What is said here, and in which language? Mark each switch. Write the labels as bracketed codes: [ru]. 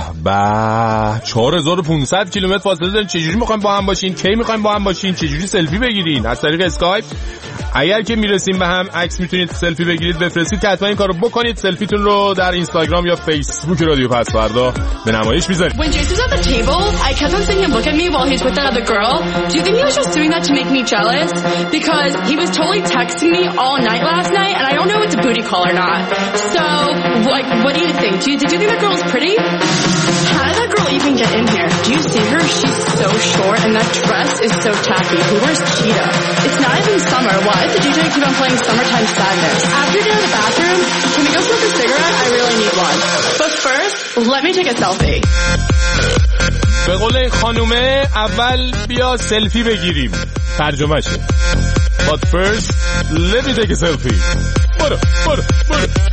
[fa] به 4500 کیلومتر فاصله داریم، چجوری میخوایم با هم باشین؟ کی میخوایم با هم باشین؟ چجوری سلفی بگیرین؟ از طریق اسکایپ؟ اگر که میرسیم به هم عکس میتونید سلفی بگیرید بفرستید، که حتما این کارو بکنید. سلفیتون رو در اینستاگرام یا فیسبوک رادیو پس فردا به نمایش بذارید. [en] When Jason's at the table, I kept on seeing him look at me while he's with that other girl. Do you think he was just doing that to make me jealous? Because he was totally texting me all night last night and I don't know if it's a booty call or not. So, like, what do you think? Did you think that girl's pretty? How did that girl even get in here? Do you see her? She's so short and that dress is so tacky. Who wears cheetah? It's not even summer. Why does the DJ keep on playing Summertime Sadness? After you get out of the bathroom, can we go smoke a cigarette? I really need one. But first, let me take a selfie. [fa] به قول خانومه اول بیا سلفی بگیریم، ترجمه شه. [en] But first let me take a selfie. [fa] برو برو برو.